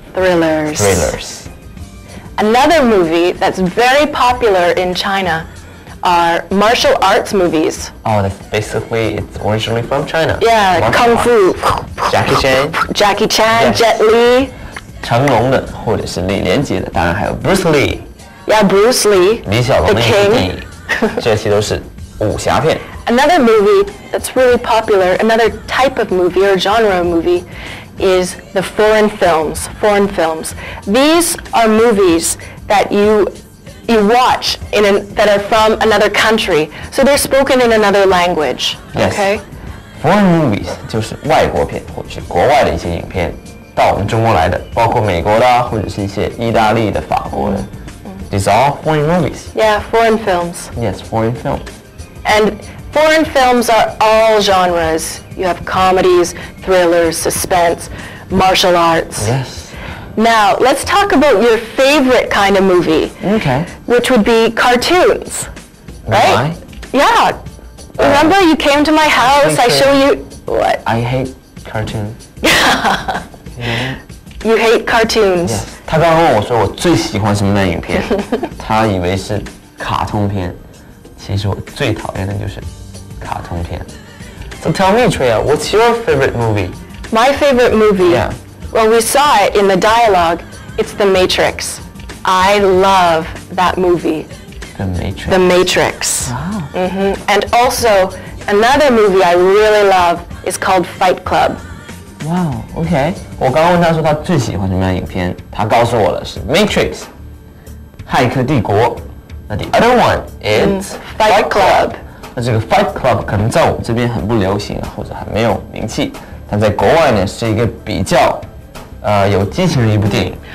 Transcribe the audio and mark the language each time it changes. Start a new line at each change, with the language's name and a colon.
English: Thrillers. Another movie that's very popular in China are martial arts movies. Oh, that's basically, it's originally from China. Yeah, Kung Fu. Jackie Chan, yes. Jet Li.
Chinese: 成龙的或者是李连杰的当然还有 Bruce Lee
English: Yeah, Bruce Lee
Chinese: 李小龙的电影这些都是武侠片
English: Another movie that's really popular Another type of movie or genre of movie Is the foreign films These are movies that you watch that are from another country So they're spoken in another language Yes, okay? foreign movies
Chinese: 就是外国片或者是国外的一些影片到我们中国来的包括美国的或者是一些意大利的法国的
English: These are all foreign movies Yeah, foreign films Yes, foreign films And foreign films are all genres You have comedies, thrillers, suspense, martial arts Yes Now, let's talk about your favorite kind of movie Okay Which would be cartoons Right? Yeah Remember you came to my house, I show you What? I hate cartoons Mm-hmm. You hate cartoons. Yes.
Chinese: 他刚刚问我说我最喜欢什么的影片，他以为是卡通片。其实我最讨厌的就是卡通片。
English: So tell me, Treya, what's your favorite movie? My favorite movie. Yeah. Well, we saw it in the dialogue. It's The Matrix. I love that movie. The Matrix. The Matrix. Wow. Mm-hmm. And also another movie I really love is called Fight Club. Wow, okay.
Chinese: 我刚刚问他说他最喜欢什么样的影片，他告诉我的是《Matrix》《骇客帝国》。
English: 那 the other one is Fight Club。
Chinese: 那这个 Fight Club 可能在我们这边很不流行，或者还没有名气，但在国外呢是一个比较有激情的一部电影。